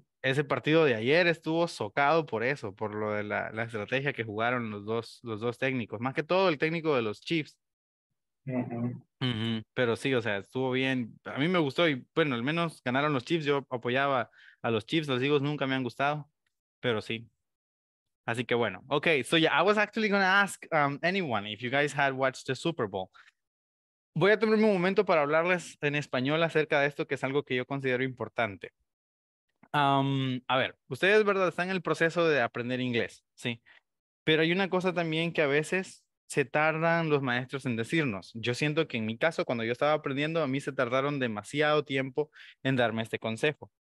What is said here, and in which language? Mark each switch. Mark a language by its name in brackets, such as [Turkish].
[Spanish] Ese partido de ayer estuvo socado por eso, por lo de la estrategia que jugaron los dos técnicos. Más que todo el técnico de los Chiefs. Uh-huh. Uh-huh. Pero sí, o sea, estuvo bien. A mí me gustó y bueno, al menos ganaron los Chiefs. Yo apoyaba a los Chiefs. Los Eagles nunca me han gustado, pero sí. Así que bueno, okay. [English] So yeah, I was actually gonna ask anyone if you guys had watched the Super Bowl. [Spanish] Voy a tomarme un momento para hablarles en español acerca de esto, que es algo que yo considero importante. A ver, ustedes, verdad, están en el proceso de aprender inglés, sí. Pero hay una cosa también que a veces se tardan los maestros en decirnos. Yo siento que en mi caso, cuando yo estaba aprendiendo, a mí se tardaron demasiado tiempo en darme este consejo.